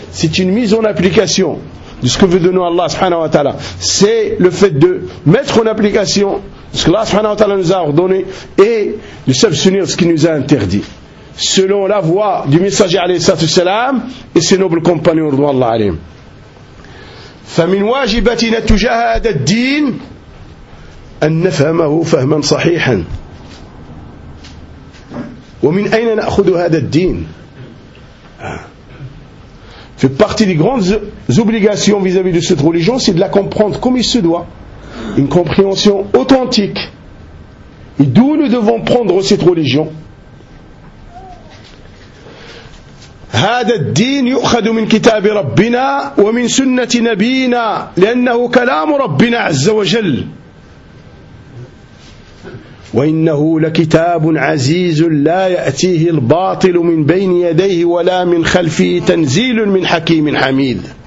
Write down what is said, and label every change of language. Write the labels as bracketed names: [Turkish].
[French] C'est une mise en application de ce que veut donner Allah subhanahu wa ta'ala. C'est le fait de mettre en application ce que Allah subhanahu wa ta'ala nous a ordonné et de s'abstenir de ce qu'il nous a interdit. Selon la voix du messager alayhi salatu wassalam et ses nobles compagnons radhiyallahu anhum. [Arabic] فمن واجباتنا تجاه هذا الدين أن نفهمه فهما صحيحا. ومن أين نأخذ هذا الدين؟ في [French] partie des grandes obligations vis-à-vis de cette religion, c'est de la comprendre comme il se doit, une compréhension authentique. Et d'où nous devons prendre cette religion؟ [Arabic] هذا الدين يؤخذ من كتاب ربنا ومن سنة نبينا لأنه كلام ربنا عز وجل وإنه لكتاب عزيز لا يأتيه الباطل من بين يديه ولا من خلفه تنزيل من حكيم حميد.